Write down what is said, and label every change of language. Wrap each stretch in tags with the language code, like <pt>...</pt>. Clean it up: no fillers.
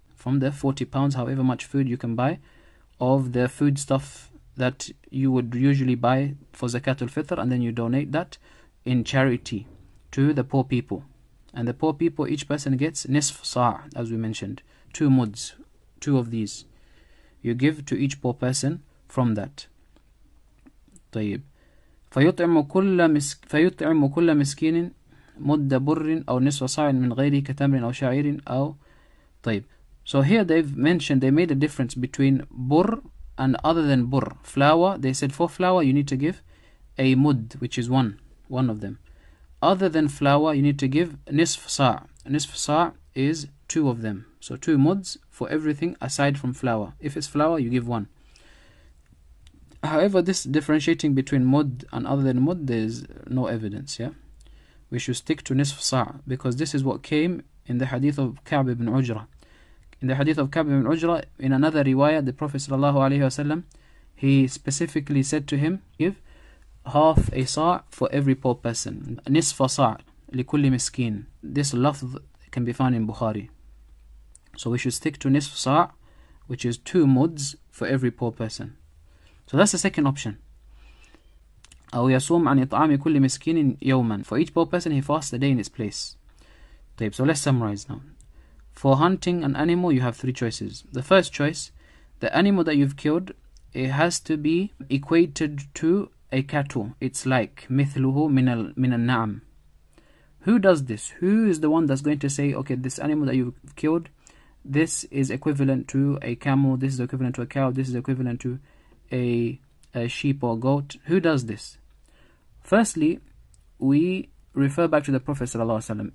<en>From the 40 pounds, however much food you can buy, of the food stuff that you would usually buy for Zakatul Fitr, and then you donate that in charity to the poor people. And the poor people, each person gets nisf sa', as we mentioned, two muds, two of these. You give to each poor person from that.</en> <ar>طيب. فيطعم كل مسكين مد بر أو نصف صاع من غير كتمر أو شعير أو طيب.</ar> <en>So here they've mentioned, they made a difference between bur and other than bur. Flour, they said for flour you need to give a mud, which is one of them. Other than flour you need to give nisf sa'. Nisf sa' is two of them. So two muds for everything aside from flour. If it's flour you give one. However, this differentiating between mud and other than mud, there's no evidence, yeah? We should stick to nisf sa' because this is what came in the hadith of Ka'b ibn Ujra. In the hadith of Ka'b ibn Ujra, in another riwayah, the Prophet sallallahu alayhi wa sallam, he specifically said to him, give half a sa' for every poor person.</en> <ar>Nisf sa' likulli miskin.</ar> <en>This lafz can be found in Bukhari. So we should stick to nisf sa', which is two muds for every poor person. So that's the second option.</en> <ar>أو يصوم عن إطعام كل مسكين يوما.</ar> <en>For each poor person, he fasts a day in its place. طيب, so let's summarize now. For hunting an animal, you have three choices. The first choice, the animal that you've killed, it has to be equated to a cattle. It's like</en> <ar>مثله من النعم.</ar> <en>Who does this? Who is the one that's going to say, okay, this animal that you've killed, this is equivalent to a camel, this is equivalent to a cow, this is equivalent to a sheep or a goat. Who does this? Firstly, we refer back to the Prophet sallallahu alaihi wasallam.</en>